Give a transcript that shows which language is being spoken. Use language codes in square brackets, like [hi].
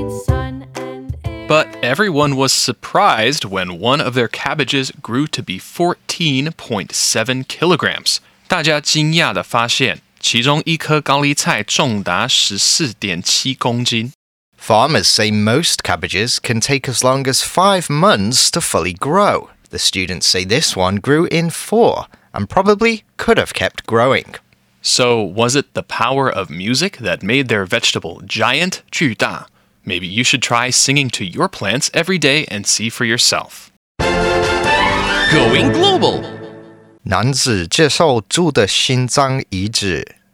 [en] But everyone was surprised when one of their cabbages grew to be 14.7 kilograms. [zh] 大家惊讶地发现,其中一颗高丽菜重达 14.7 公斤。 [en] Farmers say most cabbages can take as long as 5 months to fully grow. The students say this one grew in 4, and probably could have kept growing. So was it the power of music that made their vegetable giant 巨大? Maybe you should try singing to your plants every day and see for yourself. Going global! [zh] 男子接受猪的心脏移植。